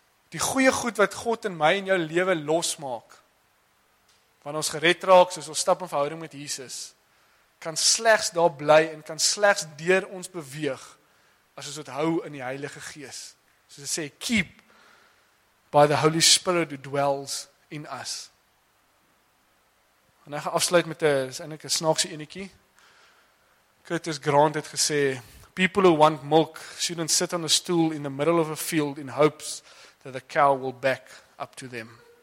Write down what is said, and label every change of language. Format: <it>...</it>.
<af>Die goeie goed wat God in my en jou lewe losmaak, van ons gered raak, soos ons stap in verhouding met Jesus, kan slechts daar bly en kan slechts deur ons beweeg, as ons het hou in die Heilige Gees. Soos hy sê,</af> <en>keep by the Holy Spirit who dwells in us.</en> <af>En hy gaan afsluit met een snaakse eniekie. Curtis Grant het gesê,</af> <en>people who want milk shouldn't sit on a stool in the middle of a field in hopes that the cow will back up to them.</en>